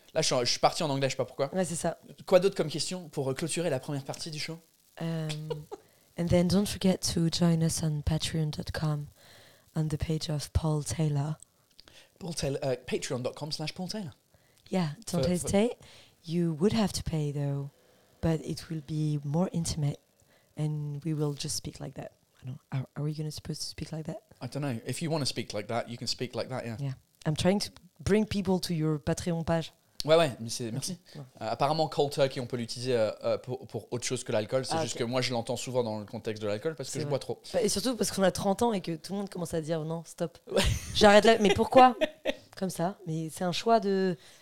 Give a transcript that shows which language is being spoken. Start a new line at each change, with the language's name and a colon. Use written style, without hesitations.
French: Là, je suis parti en anglais, je sais pas pourquoi. Ouais, c'est ça. Quoi d'autre comme question pour clôturer la première partie du show?
English: and then don't forget to join us on patreon.com on the page of Paul Taylor. Paul Taylor, patreon.com/Paul Taylor. Yeah, don't hesitate. You would have to pay though, but it will be more intimate and we will just speak like that. I don't know. Are we going to supposed to speak like that? I don't know. If you want to speak like that, you can speak like that, yeah. Yeah. I'm trying to... Bring people to your Patreon page.
French: Ouais, ouais, mais c'est, merci. Ouais. Apparemment, cold turkey, on peut l'utiliser pour autre chose que l'alcool. C'est juste que moi, je l'entends souvent dans le contexte de l'alcool parce que c'est je vrai. Bois trop. Bah, et surtout parce qu'on a 30 ans et que tout le monde commence à dire oh, non, stop. Ouais. J'arrête là. Mais pourquoi? Comme ça. Mais c'est un choix de...